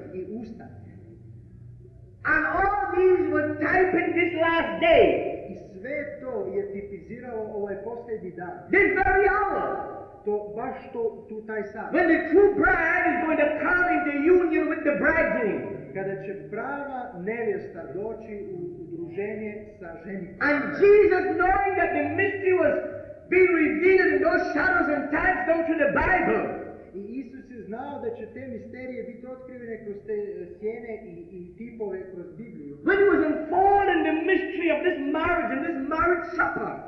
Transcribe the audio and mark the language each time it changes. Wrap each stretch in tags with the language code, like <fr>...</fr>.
<hr>I usta.</hr> <en>And all these were typing this last day.</en> <hr>I sve to je tipiziralo ovaj posljednji dan.</hr> <en>This very hour.</en> <hr>To baš to, tu taj sad.</hr> <en>When the true bride is going to come into union with the bridegroom.</en> <hr>Kada će prava nevjesta doći u udruženje sa ženikom.</hr> <en>And Jesus, knowing that the mystery was being revealed in those shadows and types down to the Bible.</en> <hr>I Isus je znao da će te misterije biti otkrivene kroz te sjene i tipove kroz Bibliju.</hr> <en>When he was informed in the mystery of this marriage and this marriage supper.</en>